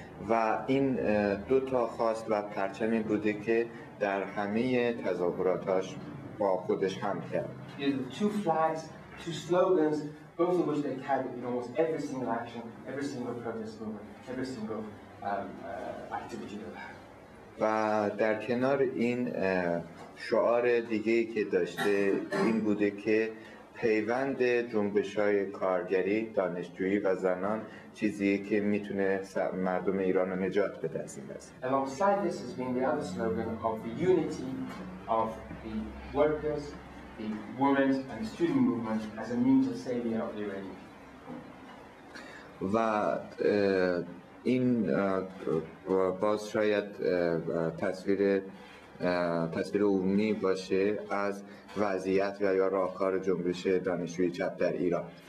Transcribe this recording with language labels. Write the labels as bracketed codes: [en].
[fa] و این دو تا خواست و پرچمی بوده که در همه تظاهراتش با خودش هم کرد. [en] Two flags, two slogans, both of which they carried in almost every single action, every single protest movement, every single activity they had. [fa] و در کنار این شعار دیگه‌ای که داشته این بوده که پیوند جنبش‌های کارگری، دانشجویی و زنان چیزی که می‌تونه مردم ایران رو نجات بده از این وضع. [en] Alongside this has been the other slogan of the unity of the workers, the women and student movement as a means of saving of the Iranian. [fa] و این باز شاید تصویر عمومی باشه از وضعیت یا راهکار جنبش دانشجوی چپ در ایران.